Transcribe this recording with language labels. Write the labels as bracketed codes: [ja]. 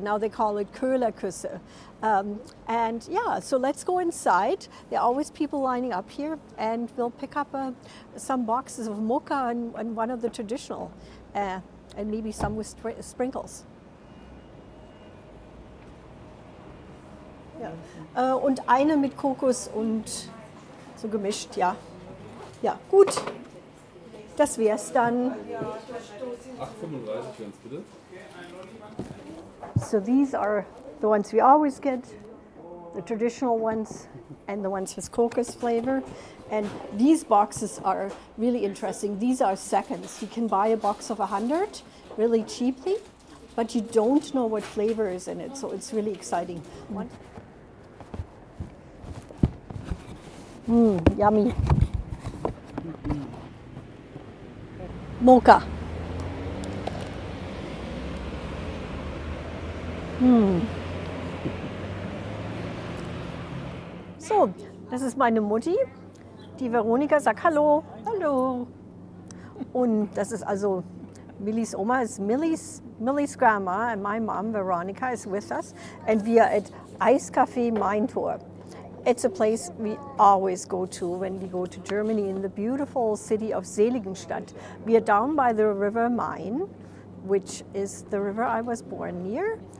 [en] Now they call it Köhler Küsse. And yeah, so let's go inside. There are always people lining up here, and we'll pick up some boxes of mocha and one of the traditional, and maybe some with sprinkles. [de] Ja. Und eine mit Kokos und so gemischt, ja. Ja, gut. Das wär's dann. 8,35 wären's bitte. [en] So these are the ones we always get. The traditional ones and the ones with Kokos flavor. And these boxes are really interesting. These are seconds. You can buy a box of 100 really cheaply, but you don't know what flavor is in it. So it's really exciting. Mmm, yummy. Mocha. Mmm. [de] So, das ist meine Mutti. Die Veronika sagt Hallo. Hallo. Und das ist also Millis Oma, ist Millis Grandma. [en] And my mom, Veronika, is with us. And we are at Eiscafé Maintor. It's a place we always go to when we go to Germany in the beautiful city of Seligenstadt. We are down by the river Main, which is the river I was born near.